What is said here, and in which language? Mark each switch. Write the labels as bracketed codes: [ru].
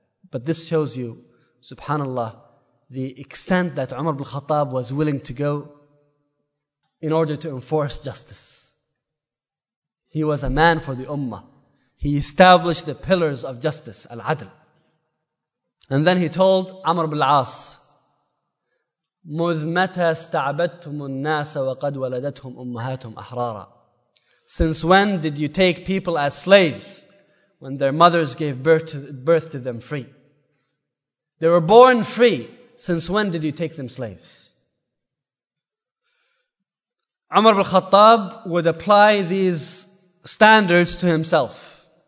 [en] But this shows you, subhanAllah, the extent that Umar ibn al-Khattab was willing to go in order to enforce justice. He was a man for the ummah. He established the pillars of justice, al-adl. And then he told Amr ibn al-As, [ar] مُذْ مَتَى اسْتَعْبَدْتُمُ النَّاسَ وَقَدْ وَلَدَتْهُمْ أُمَّهَاتُمْ أَحْرَارًا. [en] Since when did you take people as slaves when their mothers gave birth to them free? They were born free. Since when did you take them slaves? Umar ibn al-Khattab would apply these standards to himself.